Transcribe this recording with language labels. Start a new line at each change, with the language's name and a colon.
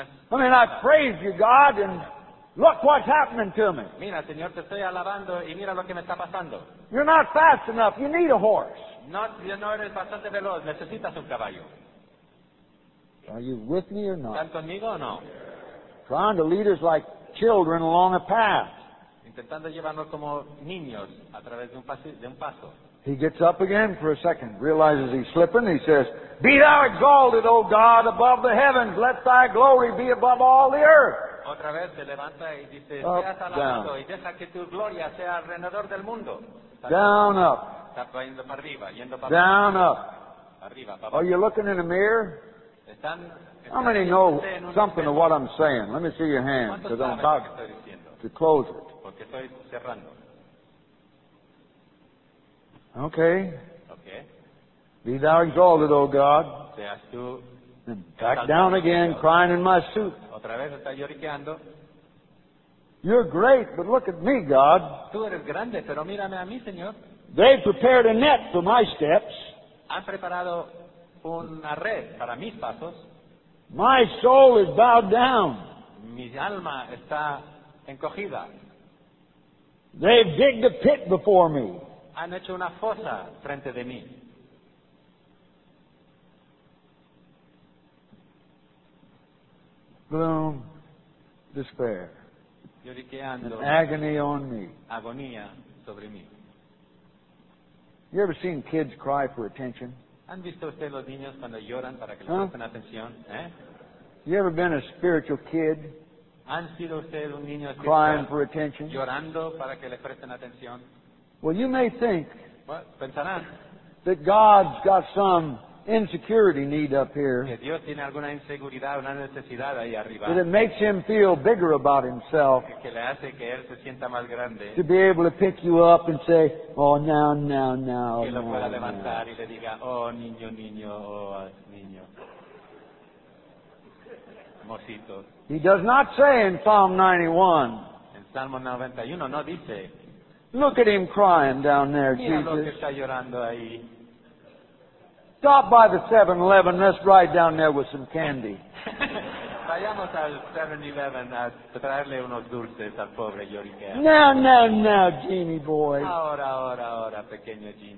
English: I mean, I praise you, God, and look what's happening to me.
Spanish: Mira, Señor, te estoy alabando y mira lo que me está pasando.
English: You're not fast enough. You need a horse.
Spanish: No eres bastante veloz. Necesitas un caballo.
English: Are you with me or not?
Spanish: ¿Están conmigo o no?
English: Trying to lead us like children along a path.
Spanish: Intentando llevarnos como niños a través de un paso.
English: He gets up again for a second, realizes he's slipping, he says, Be thou exalted, O God, above the heavens, let thy glory be above all the earth.
Spanish: Otra vez se levanta y dice,
English: up, down.
Spanish: Y deja que tu gloria sea alrededor del mundo.
English: Down, up. Down, up. Are you looking in a mirror? How many know something of what I'm saying? Let me see your hand, because I'm about to close it.
Spanish: Porque estoy cerrando.
English: Okay. Be thou exalted, O God. And back down again, crying in my suit.
Spanish: Otra vez está lloriqueando.
English: You're great, but look at me, God.
Spanish: Tú eres grande, pero mírame a mí, Señor.
English: They've prepared a net for my steps.
Spanish: Han preparado una red para mis pasos.
English: My soul is bowed down.
Spanish: Mi alma está encogida.
English: They've digged a pit before me.
Spanish: Han hecho una fosa frente de mí.
English: Gloom, despair.
Spanish: Lloriqueando.
English: Agony on me.
Spanish: Agonía sobre mí.
English: You ever seen kids cry for attention?
Spanish: ¿Han visto usted los niños cuando lloran para que les presten atención?
English: You ever been a spiritual kid?
Spanish: ¿Han sido usted un niño espiritual
English: crying for attention?
Spanish: Llorando para que le presten atención?
English: Well, you may think
Spanish: pensarán
English: that God's got some insecurity need up here.
Spanish: Que Dios tiene alguna inseguridad, una necesidad ahí arriba.
English: That it makes him feel bigger about himself.
Spanish: Que le hace que él se sienta más grande.
English: To be able to pick you up and say, oh, now, now, now.
Spanish: Que lo pueda levantar y le diga, oh, niño, niño, oh, niño. Mosito.
English: He does not say in Psalm 91.
Spanish: En Salmo 91 no dice.
English: Look at him crying down there, Jesus.
Spanish: Mira lo que está llorando ahí.
English: Stop by the 7-Eleven. Let's ride down there with some candy.
Spanish: Vayamos al 7-Eleven a traerle unos dulces al pobre lloriqueo.
English: Now, now, now, genie boy.
Spanish: Ahora, ahora, ahora, pequeño genie.